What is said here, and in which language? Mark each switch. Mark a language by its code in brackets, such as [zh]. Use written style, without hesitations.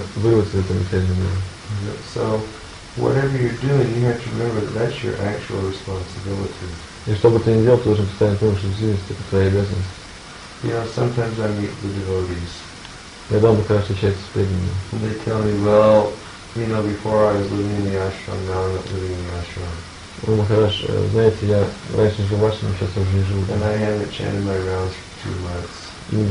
[en] So whatever you're doing, you have to remember that that's your actual responsibility. [ru] И что бы ты ни делал, ты должен постоянно помнить, что жизнь — это твоя обязанность. [en] You know, sometimes I meet the devotees. [ru] Я думаю, когда встречаюсь с преданными. [en] And they tell me, well, you know, before I was living in the ashram, now I'm not living in the ashram. [ru] Ну, хорошо, знаете, я раньше жил в ашраме, сейчас уже не живу. [en] And I haven't chanted my rounds for 2 months.